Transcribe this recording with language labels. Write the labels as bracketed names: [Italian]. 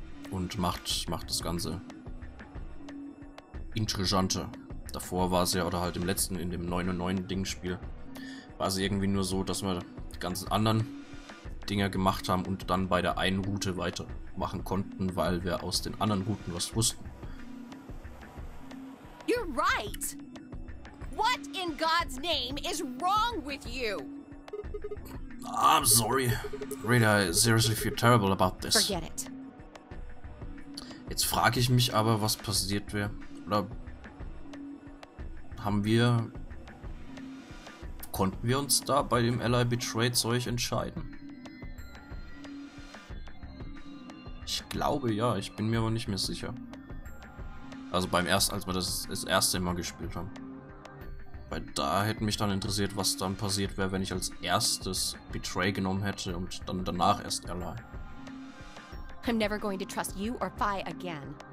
[German] Und macht das Ganze interessanter. Davor war es ja, oder halt im letzten, in dem 9-9-Ding-Spiel, war es irgendwie nur so, dass wir die ganzen anderen Dinger gemacht haben und dann bei der einen Route weitermachen konnten, weil wir aus den anderen Routen was wussten. [English] You're right! What in God's name is wrong with you? I'm sorry. Rita, I seriously feel terrible about this. Forget it. [German] Jetzt frage ich mich aber, was passiert wäre. Oder konnten wir uns da bei dem Ally Betray Zeug entscheiden? Ich glaube ja, ich bin mir aber nicht mehr sicher. Also als wir das erste Mal gespielt haben. Weil da hätte mich dann interessiert, was dann passiert wäre, wenn ich als erstes Betray genommen hätte und dann danach erst Ally. [English] I'm never going to trust you or Fi again.